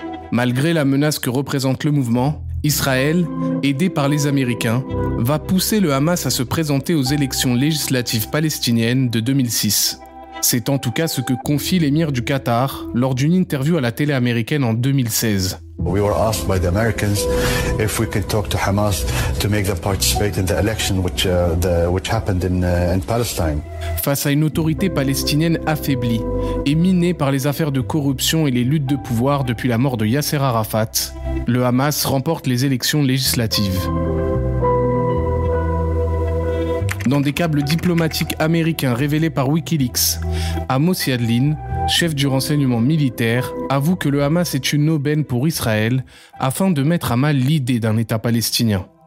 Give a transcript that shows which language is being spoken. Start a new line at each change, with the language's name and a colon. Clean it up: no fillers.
French: Malgré la menace que représente le mouvement, Israël, aidé par les Américains, va pousser le Hamas à se présenter aux élections législatives palestiniennes de 2006. C'est en tout cas ce que confie l'émir du Qatar lors d'une interview à la télé américaine en 2016.
English: We were asked by the Americans if we could talk to Hamas to make them participate in the election which happened in Palestine.
French: Face à une autorité palestinienne affaiblie et minée par les affaires de corruption et les luttes de pouvoir depuis la mort de Yasser Arafat, le Hamas remporte les élections législatives. Dans des câbles diplomatiques américains révélés par Wikileaks, Amos Yadlin, chef du renseignement militaire, avoue que le Hamas est une aubaine pour Israël afin de mettre à mal l'idée d'un État palestinien.